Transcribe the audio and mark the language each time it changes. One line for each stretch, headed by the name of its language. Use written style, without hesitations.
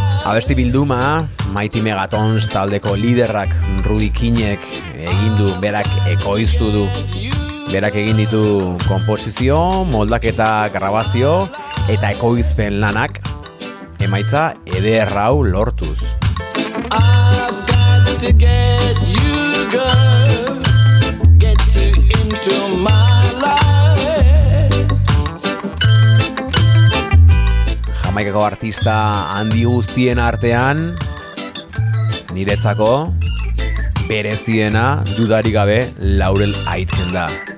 Basque: Abesti bilduma Mighty Megatons taldeko liderrak Rudy Kinek egin du, berak ekoiztu du. Berak egin ditu konposizio, moldaketa, grabazio eta ekoizpen lanak, emaitza eder hau lortuz.
English: I've got to get you, girl, get you into my life.
Basque: Jamaikako artista handi guztien artean, niretzako bereziena dudarik gabe Laurel Aitken da.